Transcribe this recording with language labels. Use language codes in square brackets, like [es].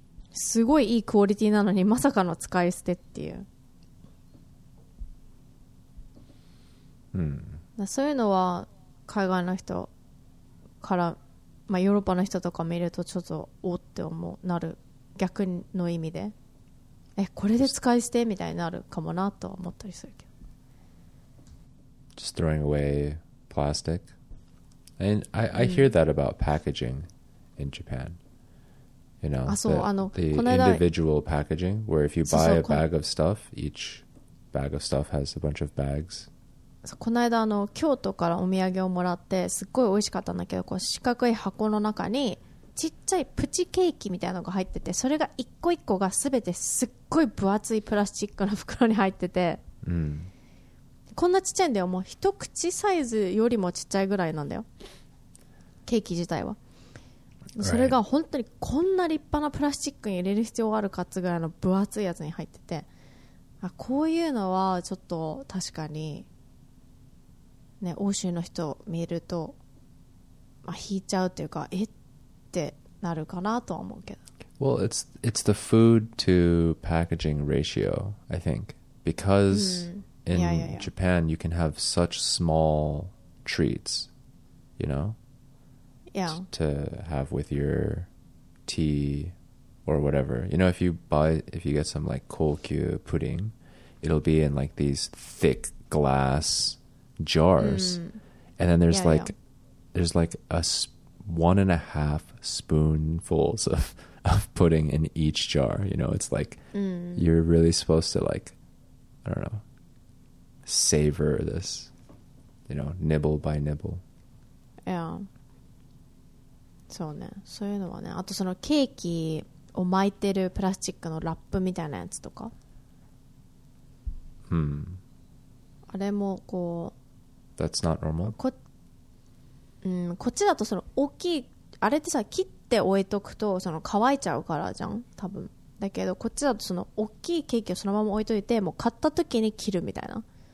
[ja] すごいいいクオリティなのにまさかの使い捨てっていう。そういうのは海外の人からまあ、ヨーロッパの人とか見るとちょっとおって思うなる逆の意味でえこれで使い捨てみたいになるかもなと思ったりするけど [en] Just throwing away plastic And I hear that about packaging in Japan You know the individual packaging Where if you buy a bag of stuff Each bag of stuff has a bunch of bags [ja] この間あの京都からお土産をもらってすっごい美味しかったんだけどこう四角い箱の中にちっちゃいプチケーキみたいなのが入っててそれが一個一個がすべてすっごい分厚いプラスチックの袋に入ってて、うん、こんなちっちゃいんだよもう一口サイズよりもちっちゃいぐらいなんだよケーキ自体は、right. それが本当にこんな立派なプラスチックに入れる必要があるかつぐらいの分厚いやつに入っててあこういうのはちょっと確かにね、欧州の人を見ると、まあ、引いちゃうというかえってなるかなとは思うけど [en] Well, it's the food to packaging ratio, I think Because、うん、in Japan, you can have such small treats You know? Yeah To have with your tea or whatever You know, if you get some like kokyu pudding It'll be in like these thick glassjars、mm. and then there's yeah, like yeah. there's like a one and a half spoonfuls of pudding in each jar you know it's like、 mm. you're really supposed to like I don't know savor this you know nibble by nibble [ja] yeah そうねそういうのはねあとそのケーキを巻いてるプラスチックのラップみたいなやつとか、 mm. あれもこう [en] That's not normal. [ja] こ、うん、こっちだとその大きいあれってさ切って置いとくとその乾いちゃうからじゃん多分だけどこっちだとその大きいケーキをそのまま置いといてもう買った時に切るみたいな、